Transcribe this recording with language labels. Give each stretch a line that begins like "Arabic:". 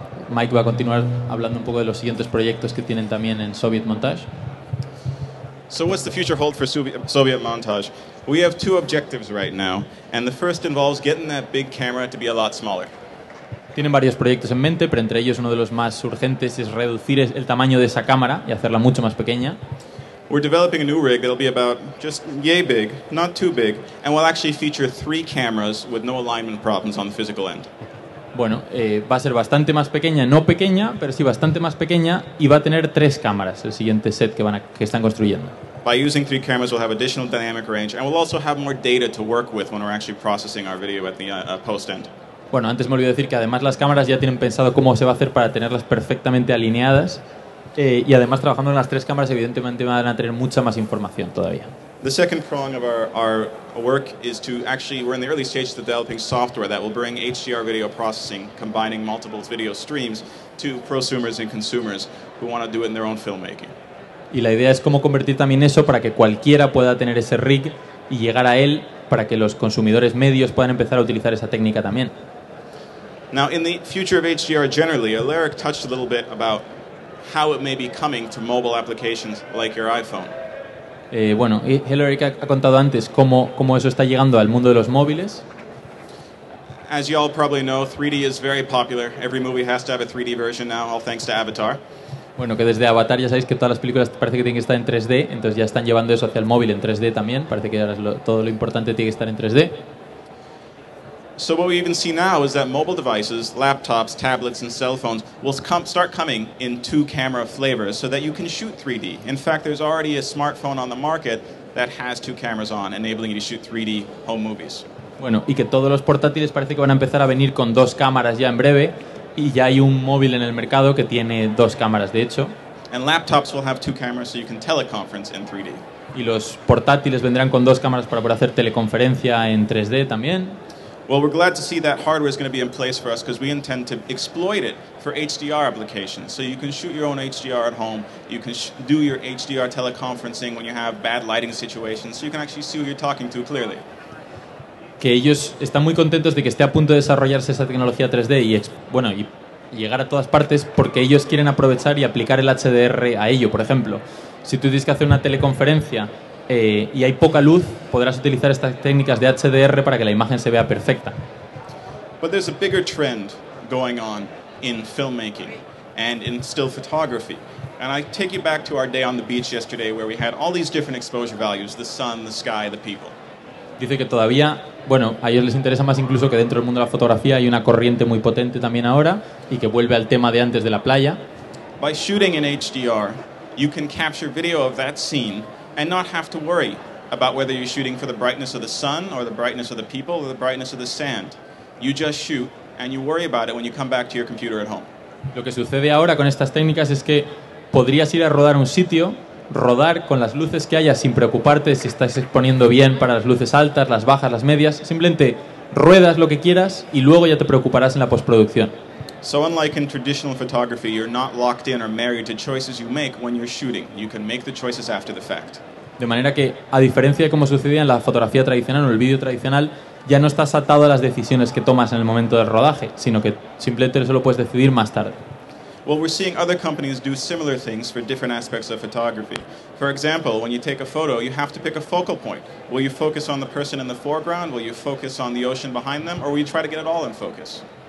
Spanish: Mike va a continuar hablando un poco de los siguientes proyectos que tienen también en Soviet Montage.
English: So what's the future hold for Soviet Montage? We have two objectives right now, and the first involves getting that big camera to be a lot smaller.
Spanish: Tienen varios proyectos en mente, pero entre ellos uno de los más urgentes es reducir el tamaño de esa cámara y hacerla mucho más pequeña.
English: We're developing a new rig that'll be about just yay big, not too big, and will actually feature three cameras with no alignment problems on the physical end.
Spanish: Bueno, va a ser bastante más pequeña, no pequeña, pero sí bastante más pequeña, y va a tener tres cámaras, el siguiente set que, que están construyendo.
English: By using three cameras, we'll have additional dynamic range, and we'll also have more data to work with when we're actually processing our video at the post-end.
Spanish: Bueno, antes me olvidé decir que además las cámaras ya tienen pensado cómo se va a hacer para tenerlas perfectamente alineadas, y además trabajando en las tres cámaras, evidentemente van a tener mucha más información todavía.
English: The second prong of our work is to actually, we're in the early stages of developing software that will bring HDR video processing, combining multiple video streams to prosumers and consumers who want to do it in their own filmmaking.
Spanish: Y la idea es cómo convertir también eso para que cualquiera pueda tener ese rig y llegar a él para que los consumidores medios puedan empezar a utilizar esa técnica también.
English: Now, in the future of HDR generally, Alaric touched a little bit about how it may be coming to mobile applications like your iPhone.
Spanish: Bueno, Hillary ha contado antes cómo eso está llegando al mundo de los móviles.
English: As you all probably know, 3D is very popular. Every movie has to have a 3D version now, all thanks to Avatar.
Spanish: Bueno, que desde Avatar ya sabéis que todas las películas parece que tienen que estar en 3D, entonces ya están llevando eso hacia el móvil en 3D también. Parece que ahora todo lo importante tiene que estar en 3D.
English: So what we even see now is that mobile devices, laptops, tablets and cell phones will start coming in two camera flavors so that you can shoot 3D. In fact, there's already a smartphone on the market that has two cameras on, enabling you to shoot 3D home movies.
Spanish: Bueno, y que todos los portátiles parece que van a empezar a venir con dos cámaras ya en breve, y ya hay un móvil en el mercado que tiene dos cámaras de hecho.
English: And laptops will have two cameras so you can teleconference in 3D.
Spanish: Y los portátiles vendrán con dos cámaras para poder hacer teleconferencia en 3D también.
English: Well, we're glad to see that hardware is going to be in place for us because we intend to exploit it for HDR applications. So you can shoot your own HDR at home, you can do your HDR teleconferencing when you have bad lighting situations, so you can actually see who you're talking to clearly.
Spanish: Que ellos están muy contentos de que esté a punto de desarrollarse esa tecnología 3D y, bueno, y llegar a todas partes porque ellos quieren aprovechar y aplicar el HDR a ello. Por ejemplo, si tú tienes que hacer una teleconferencia y hay poca luz, podrás utilizar estas técnicas de HDR para que la imagen se vea perfecta.
English: But there's a bigger trend going on in filmmaking and in still photography. And I take you back to our day on the beach yesterday where we had all these different exposure values, the sun, the sky, the people.
Spanish: Dice que todavía, bueno, a ellos les interesa más incluso que dentro del mundo de la fotografía hay una corriente muy potente también ahora y que vuelve al tema de antes de la playa.
English: By shooting in HDR, you can capture video of that scene and not have to worry about whether you're shooting for the brightness of the sun or the brightness of the people or the brightness of the sand. You just shoot and you worry about it when you come back to your computer at home.
Spanish: Lo que sucede ahora con estas técnicas es que podrías ir a rodar un sitio, rodar con las luces que haya sin preocuparte si estás exponiendo bien para las luces altas, las bajas, las medias. Simplemente ruedas lo que quieras y luego ya te preocuparás en la postproducción.
English: So unlike in traditional photography, you're not locked in or married to choices you make when you're shooting. You can make the choices after the fact.
Spanish: De manera que, a diferencia de cómo sucedía en la fotografía tradicional o el vídeo tradicional, ya no estás atado a las decisiones que tomas en el momento del rodaje, sino que simplemente eso lo puedes decidir más tarde.
English: Well, we're seeing other companies do similar things for different aspects of photography. For example, when you take a photo, you have to pick a focal point. Will you focus on the person in the foreground? Will you focus on the ocean behind them? Or will you try to get it all in focus?